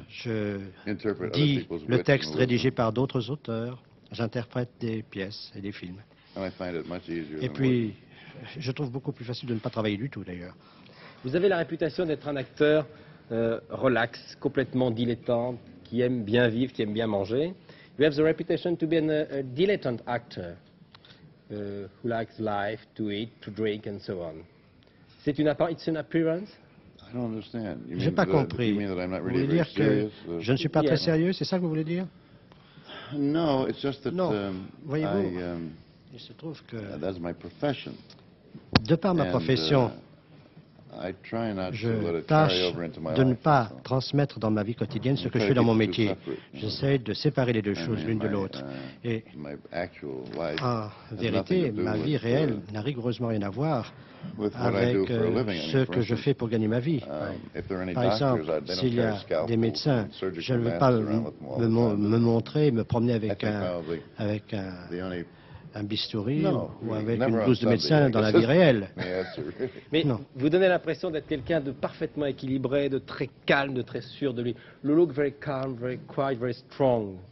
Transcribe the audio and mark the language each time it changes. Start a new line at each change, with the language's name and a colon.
French: Je dis le texte rédigé par d'autres auteurs. J'interprète des pièces et des films. Et puis, je trouve beaucoup plus facile de ne pas travailler du tout, d'ailleurs. Vous avez la réputation d'être un acteur relax, complètement dilettante, qui aime bien vivre, qui aime bien manger.
English: You have the reputation to be a dilettante actor, who likes life, to eat, to drink, and so on.
French: C'est une appearance?
English: I don't understand.
French: Je n'ai pas compris. Vous voulez dire que je ne suis pas très sérieux, c'est ça que vous voulez dire?
English: No, it's just that,
French: non, voyez-vous, il se trouve que,
English: that's my profession.
French: De par ma profession, je tâche de ne pas transmettre dans ma vie quotidienne ce que je fais dans mon métier. J'essaie de séparer les deux choses l'une de l'autre. Et en vérité, ma vie réelle n'a rigoureusement rien à voir avec ce que je fais pour gagner ma vie. Par exemple, s'il y a des médecins, je ne veux pas me montrer, me promener avec un bistouri ou avec une blouse de médecin dans la vie réelle. Mais non. Vous donnez l'impression d'être quelqu'un de parfaitement équilibré, de très calme, de très sûr de lui.
English: You look very calm, very quiet, very strong.